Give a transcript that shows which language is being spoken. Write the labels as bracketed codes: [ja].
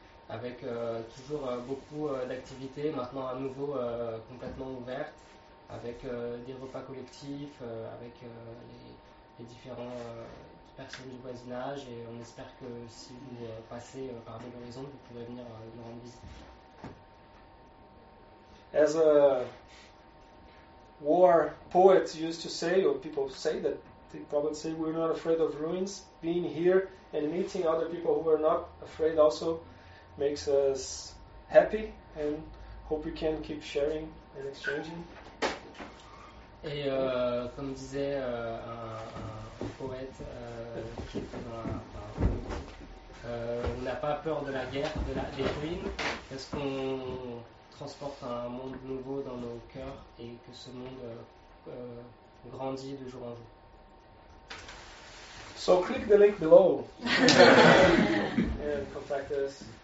[fr] avec toujours beaucoup d'activités, maintenant à nouveau complètement ouvertes, avec des repas collectifs, avec les différentes personnes du voisinage, et on espère que si vous passez par Belo Horizonte, vous pourrez venir nous rendre visite. [en] As a war poet used to say, or people say that, they probably say, we're not afraid of ruins. Being here and meeting other people who are not afraid also makes us happy, and hope we can keep sharing and exchanging. [fr] Et comme disait un poète qui était dans la, on n'a pas peur de la guerre, de la, des ruines, parce qu'on transporte un monde nouveau dans nos cœurs et que ce monde grandit de jour en jour. [en] So click the link below and contact us.